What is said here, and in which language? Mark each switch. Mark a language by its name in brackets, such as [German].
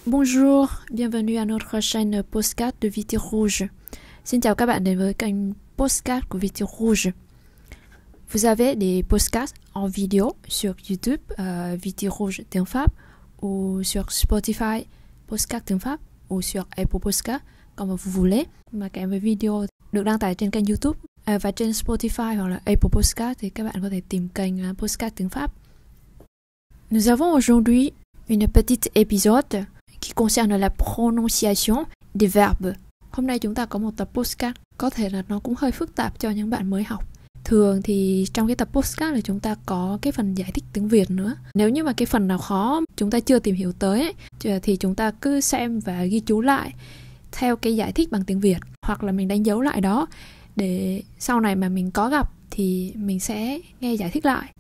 [French] Bonjour, bienvenue à notre chaîne Postcard de Viết Rouge. [Vietnamese] Xin chào các bạn đến với kênh Postcard của Viết Rouge. [French] Vous avez des postcards en vidéo sur YouTube, Viết Rouge tiếng Pháp, ou sur Spotify, Postcard tiếng Pháp, ou sur Apple Postcard, comme vous voulez. [Vietnamese] Mà kèm với video được đăng tải trên kênh YouTube và trên Spotify hoặc là Apple Postcard thì các bạn có thể tìm kênh Postcard tiếng Pháp. [French] Nous avons aujourd'hui une petite épisode qui concerne la prononciation des verbes. [Vietnamese] Hôm nay chúng ta có một tập postcard, có thể là nó cũng hơi phức tạp cho những bạn mới học. Thường thì trong cái tập postcard là chúng ta có cái phần giải thích tiếng Việt nữa. Nếu như mà cái phần nào khó chúng ta chưa tìm hiểu tới thì chúng ta cứ xem và ghi chú lại theo cái giải thích bằng tiếng Việt, hoặc là mình đánh dấu lại đó để sau này mà mình có gặp thì mình sẽ nghe giải thích lại.